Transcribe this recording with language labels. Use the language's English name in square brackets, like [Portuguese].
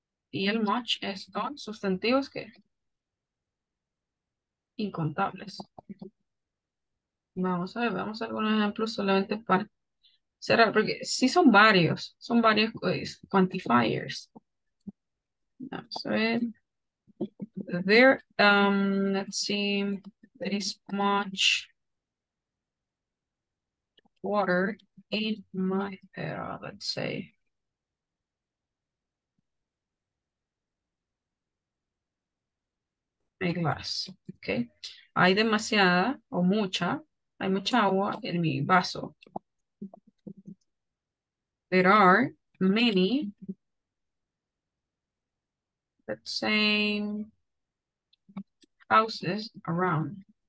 [Spanish] Y el much es con sustantivos que... incontables. Vamos a algunos ejemplos solamente para cerrar, porque sí son varios quantifiers. Vamos a ver. [English] There, let's see, there is much water in my, let's say, my glass, okay. [Spanish] Hay demasiada o mucha, hay mucha agua en mi vaso. [English] There are many, let's say, houses around.